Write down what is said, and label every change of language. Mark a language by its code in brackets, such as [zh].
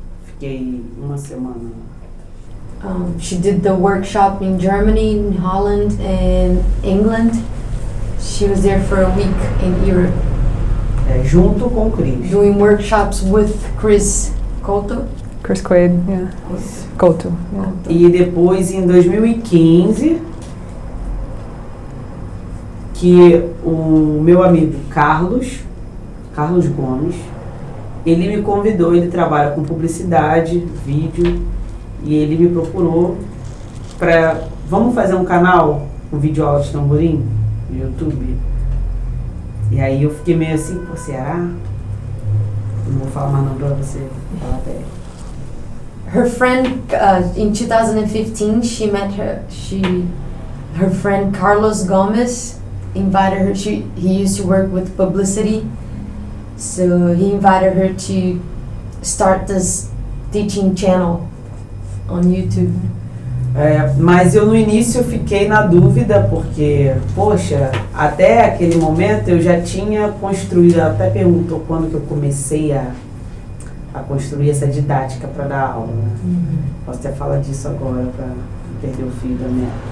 [pt] Fiquei uma semana. [en] She did the workshop in Germany, in Holland, and England. She was there for a week in Europe. [pt] É, junto com Chris. [en] Doing workshops with Chris Couto. Chris Quaid, yeah. Couto. [pt] Yeah. E depois, em 2015, que o meu amigo Carlos Gomes, ele me convidou, ele trabalha com publicidade, vídeo, e ele me procurou para vamos fazer um canal com vídeo aula de tamborim no YouTube. E aí eu fiquei meio assim, pô, será? Não vou falar mais não pra você falar até. [en] Her friend, in 2015, she met her friend Carlos Gomes invited her, he used to work with publicity, so he invited her to start this teaching channel on YouTube. [pt] É, mas eu no início fiquei na dúvida, porque, poxa, até aquele momento eu já tinha construído, ela até perguntou quando que eu comecei a construir essa didática para dar aula, né? Uhum. Posso até falar disso agora para não perder o fio da minha.